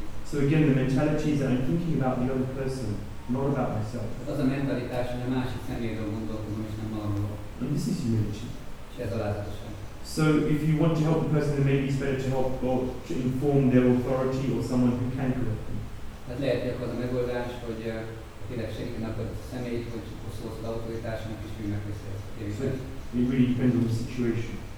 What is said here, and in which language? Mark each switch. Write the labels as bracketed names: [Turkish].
[English] So again, the mentality is that I'm thinking about the other person. Not about myself. [Hungarian] Az a mentalitás, hogy a másik személyről gondolkozom, és nem magamról. [English] And this is humility. [Hungarian] És ez alázatosság. [English] So if you want to help the person, then maybe it's better to help or to inform their authority or someone who can correct them. [Hungarian] Hát lehet, hogy az a megoldás, hogy tényleg segítenek a személyt, hogy szólsz az autoritásnak, és hogy megbeszélsz. [English] So it really depends on the situation.